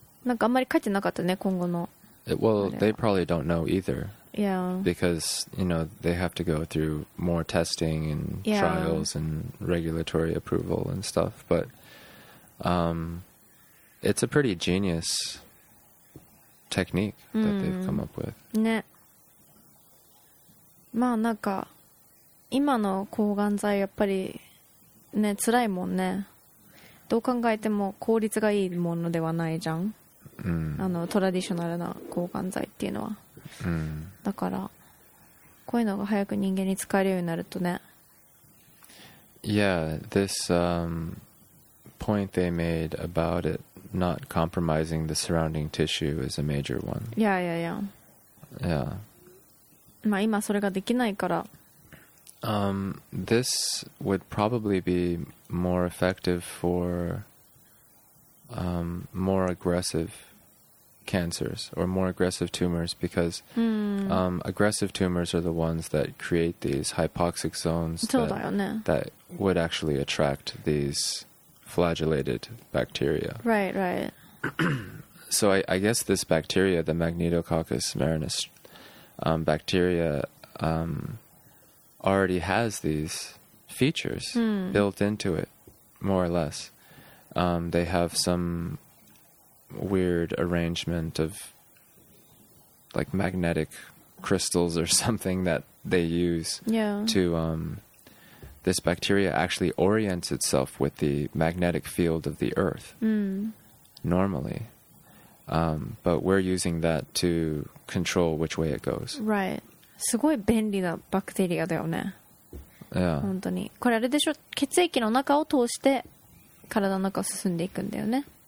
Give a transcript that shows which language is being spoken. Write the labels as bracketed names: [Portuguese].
[Japanese] なんかあんまり書いてなかったね、今後の。 [English] Well, they probably don't know either. Yeah. Because you know they have to go through more testing and trials and regulatory approval and stuff. But it's a pretty genius technique that they've come up with. [Japanese] ね。まあなんか今の抗がん剤やっぱりね、辛いもんね。どう考えても効率がいいものではないじゃん、あのトラディショナルな抗がん剤っていうのは、だからこういうのが早く人間に使えるようになるとね。 [English] Yeah, this point they made about it not compromising the surrounding tissue is a major one. Yeah. [Japanese] まあ、今それができないから。 [English] This would probably be more effective for more aggressive cancers or more aggressive tumors, because aggressive tumors are the ones that create these hypoxic zones that would actually attract these flagellated bacteria. Right. So I guess this bacteria, the Magnetococcus marinus bacteria, already has these features built into it, more or less. They have some weird arrangement of like magnetic crystals or something that they use to, this bacteria actually orients itself with the magnetic field of the earth normally. But we're using that to control which way it goes. Right. [Japanese] すごい便利なバクテリアだよね。 [English] Yeah. [Japanese] 本当にこれあれでしょ、血液の中を通して体の中を進んでいくんだよね。